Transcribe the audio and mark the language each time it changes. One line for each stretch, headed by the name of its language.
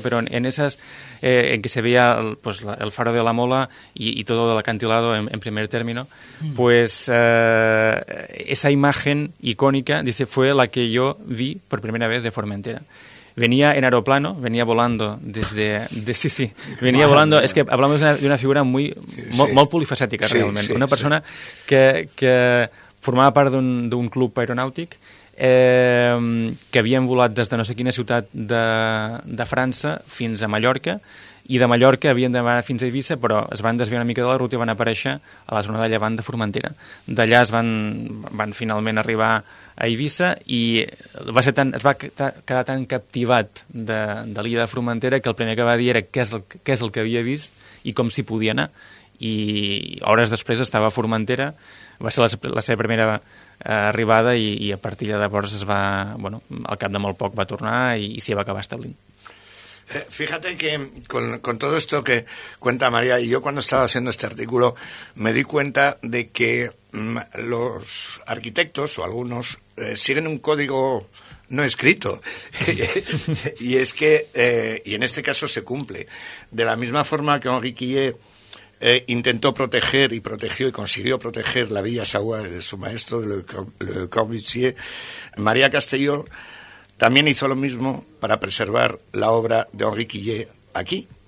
Spanish: Pero en esas en que se veía el faro de la Mola y todo el acantilado en primer término, pues esa imagen icónica, dice, fue la que yo vi por primera vez de Formentera. Venía en aeroplano, venía volando desde... venía volando... Es que hablamos de una figura muy...
Catalan: molt polifacética, realment. Una persona que formava part d'un club aeronàutic, que havien volat des de no sé quina ciutat de França fins a Mallorca, i de Mallorca havien d'anar fins a Eivissa, però es van desviar una mica de la ruta i van aparèixer a la zona de Llevant de Formentera. D'allà es van finalment arribar a Eivissa, i es va quedar tan captivat de l'illa de Formentera que el primer que va dir era què és el que havia vist i com s'hi podia anar. I hores després estava a Formentera, va ser la seva primera arribada, i a partir de llavors es va, bueno, al cap de molt poc va tornar i s'hi va acabar establint.
Spanish: Fíjate que con todo esto que cuenta María, y yo cuando estaba haciendo este artículo, me di cuenta de que los arquitectos, o algunos, siguen un código no escrito, y es que, y en este caso se cumple, de la misma forma que Henri Quillet intentó proteger y protegió y consiguió proteger la Villa Sagua de su maestro, Le Corbusier, María Castelló también hizo lo mismo para preservar la obra de Henri Quillet aquí.